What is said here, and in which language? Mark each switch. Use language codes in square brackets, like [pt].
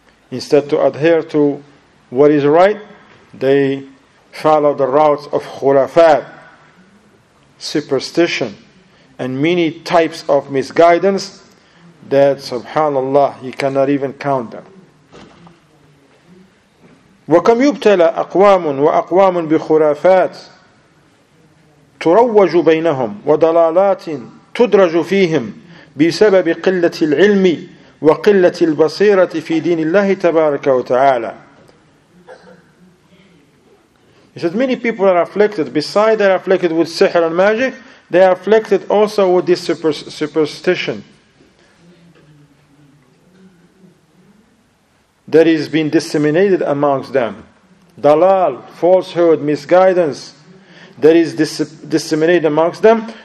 [en] Instead to adhere to what is right, they follow the routes of khurafat, superstition, and many types of misguidance that, subhanAllah, you cannot even count them. [ar] وكم يبتلى أقوام وأقوام بخرافات تروج بينهم وضلالات تدرج فيهم بسبب قلة العلم وقلة البصيرة في دين الله تبارك وتعالى. [en] He said, many people are afflicted. Besides, they are afflicted with sihr and magic. They are afflicted also with this superstition that is being disseminated amongst them. Dalal, falsehood, misguidance, that is disseminated amongst them.